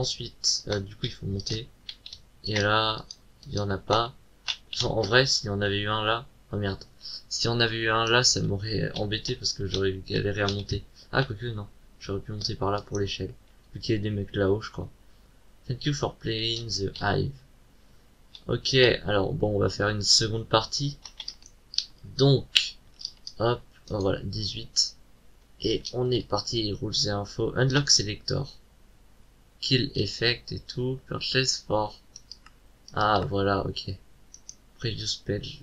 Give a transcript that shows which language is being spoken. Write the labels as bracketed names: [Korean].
[French] Ensuite, du coup, il faut monter, et là, il y en a pas. En vrai, s'il y en avait eu un là, oh merde, si on avait eu un là, ça m'aurait embêté, parce que j'aurais galéré à monter. Ah, quoique, non, j'aurais pu monter par là pour l'échelle, vu qu'il y a des mecs là-haut, je crois. [English] Thank you for playing the hive. [French] Ok, alors, bon, on va faire une seconde partie. Donc, hop. Oh, voilà, 18. Et on est parti, rules et info. [English] Unlock selector. [French] Kill effect et tout. Purchase for. Ah, voilà, ok. [English] Previous page.